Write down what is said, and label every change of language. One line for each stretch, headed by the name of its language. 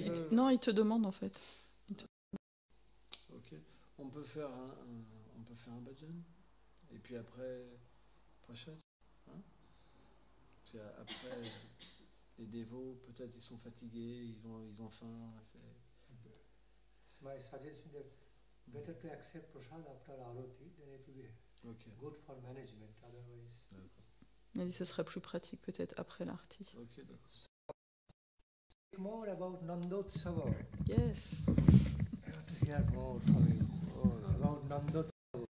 French: Non, il te demande en fait. Ok. On peut faire on peut faire un bhajan. Et puis après, prochaine. Hein? C'est après, les dévots, peut-être ils sont fatigués, ils ont faim. C'est
English: my suggestion that better to accept prasad after aroti than it will be okay. Good for management. Otherwise.
French: Il dit ce sera plus pratique peut-être après l'arti. Ok, d'accord.
English: More about Nandotsava. Yes. I want to hear more from you about Nandotsava.